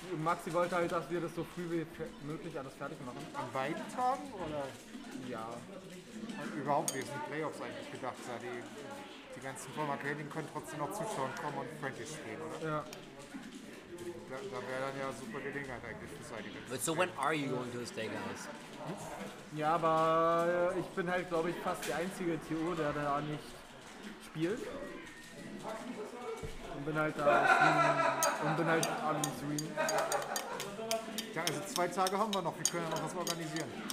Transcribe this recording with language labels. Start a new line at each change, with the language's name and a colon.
German: Maxi wollte halt, dass wir das so früh wie möglich alles fertig machen. An beiden Tagen, oder? Ja. Und überhaupt, wir sind Playoffs eigentlich gedacht. Ja, die ganzen Formakeling können trotzdem noch zuschauen kommen und Friendly spielen, oder? Ja. Da wäre dann ja super Gelegenheit eigentlich für Side-Events.
English: But so when are you going to the steakhouse?
German: Ja, aber ich bin halt, glaube ich, fast der einzige TO, der da nicht spielt. Und bin halt da und bin halt am Stream. Ja, also zwei Tage haben wir noch, wir können ja noch was organisieren.